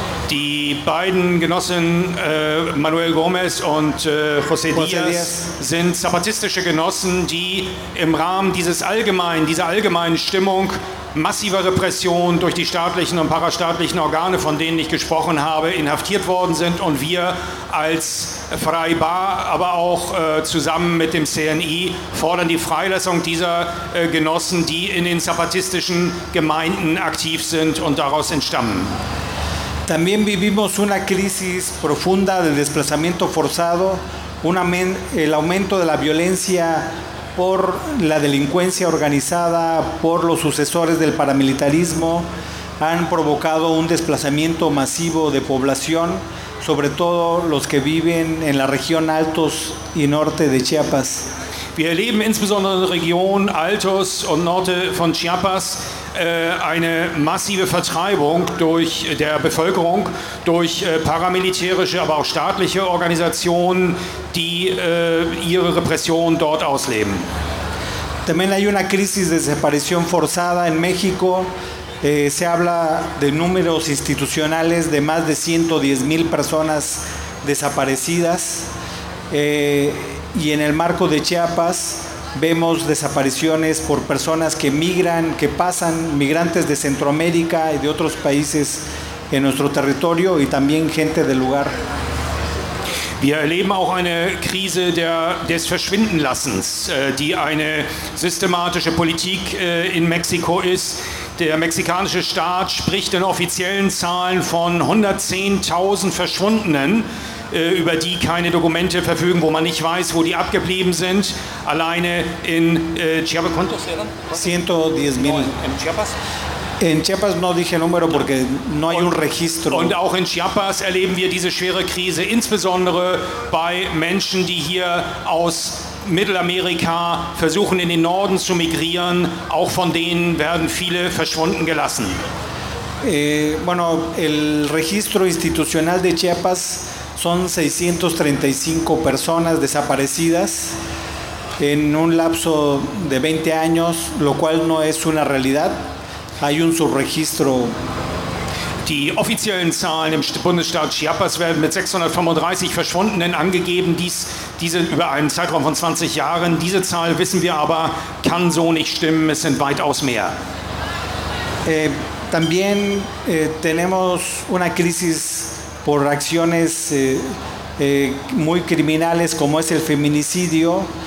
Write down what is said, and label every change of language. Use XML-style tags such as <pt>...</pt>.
<de>Die beiden Genossen Manuel Gómez und José Díaz sind zapatistische Genossen, die im Rahmen dieser allgemeinen Stimmung massiver Repression durch die staatlichen und parastaatlichen Organe, von denen ich gesprochen habe, inhaftiert worden sind. Und wir als Frei Bar, aber auch zusammen mit dem CNI, fordern die Freilassung dieser Genossen, die in den zapatistischen Gemeinden aktiv sind und daraus entstammen.</de> <es>También vivimos una crisis profunda de desplazamiento forzado, el aumento de la violencia por la delincuencia organizada, por los sucesores del paramilitarismo, han provocado un desplazamiento masivo de población, sobre todo los que viven en la región Altos y Norte de Chiapas.</es> <de>Wir erleben insbesondere in der Region Altos und Norte von Chiapas eine massive Vertreibung durch der Bevölkerung, durch paramilitärische, aber auch staatliche Organisationen, die ihre Repression dort ausleben.</de> <es>También hay una crisis de desaparición forzada en México. Se habla de números institucionales de más de 110.000 personas desaparecidas. Y en el marco de Chiapas vemos desapariciones por personas que migran, que pasan, migrantes de Centroamérica y de otros países en nuestro territorio y también gente del lugar.</es> <de>Wir erleben auch eine Krise des Verschwindenlassens, die eine systematische Politik in Mexiko ist. Der mexikanische Staat spricht in offiziellen Zahlen von 110.000 Verschwundenen, über die keine Dokumente verfügen, wo man nicht weiß, wo die abgeblieben sind. Alleine in Chiapas. 110.000. In Chiapas?</de> <es>In Chiapas no dije número porque no hay un registro.</es> <de>Und auch in Chiapas erleben wir diese schwere Krise, insbesondere bei Menschen, die hier aus Mittelamerika versuchen, in den Norden zu migrieren. Auch von denen werden viele verschwunden gelassen.</de> <es>Bueno, el registro institucional de Chiapas son 635 personas desaparecidas en un lapso de 20 años, lo cual no es una realidad. Hay un subregistro.</es> <de>Die offiziellen Zahlen im Bundesstaat Chiapas werden mit 635 Verschwundenen angegeben, diese über einen Zeitraum von 20 Jahren. Diese Zahl, wissen wir aber, kann so nicht stimmen. Es sind weitaus mehr.</de> <es>También tenemos una crisis por acciones muy criminales como es el feminicidio.</es>